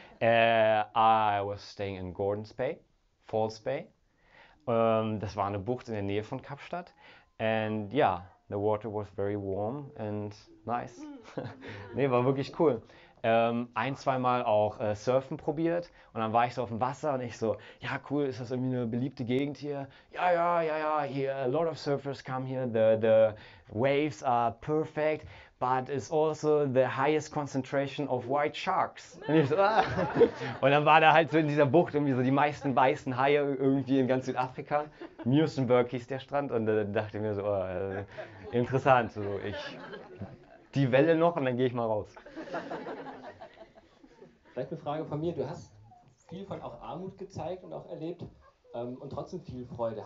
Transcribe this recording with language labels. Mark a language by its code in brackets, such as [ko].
[en] I was staying in Gordon's Bay, Falls Bay. [de] Das war eine Bucht in der Nähe von Kapstadt. [en] And yeah, the water was very warm and nice. [de] Nee, war wirklich cool. Ein, zweimal auch surfen probiert und dann war ich so auf dem Wasser und ich so, ja cool, ist das irgendwie eine beliebte Gegend hier? Ja, hier, [en] a lot of surfers come here, the waves are perfect, but it's also the highest concentration of white sharks. [de] Und ich so, ah. Und dann war da halt so in dieser Bucht irgendwie so die meisten weißen Haie irgendwie in ganz Südafrika. Muesenberg hieß der Strand und dann dachte ich mir so, oh, interessant, so ich... die Welle noch und dann gehe ich mal raus. Vielleicht eine Frage von mir. Du hast viel von auch Armut gezeigt und auch erlebt und trotzdem viel Freude.